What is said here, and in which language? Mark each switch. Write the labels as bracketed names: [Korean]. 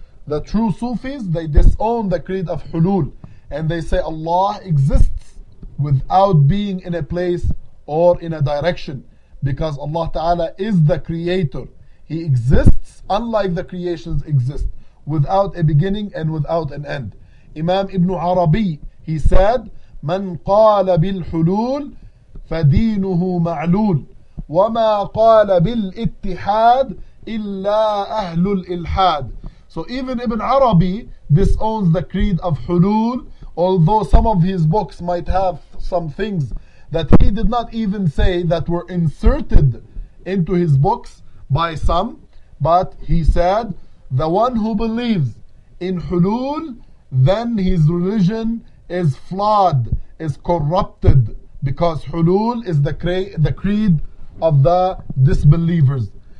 [English] The true Sufis, they disown the creed of Hulul and they say Allah exists without being in a place or in a direction, because Allah Ta'ala is the Creator. He exists unlike the creations exist, without a beginning and without an end. [Arabic] Imam Ibn Arabi, [English] he said, [Arabic] مَنْ قَالَ بِالْحُلُولِ فَدِينُهُ مَعْلُولِ وَمَا قَالَ بِالْإِتِّحَادِ إِلَّا أَهْلُ الْإِلْحَادِ. [English] So even Ibn Arabi disowns the creed of Hulul, although some of his books might have some things that he did not even say that were inserted into his books by some. But he said, the one who believes in Hulul, then his religion is flawed, is corrupted, because Hulul is the creed of the disbelievers.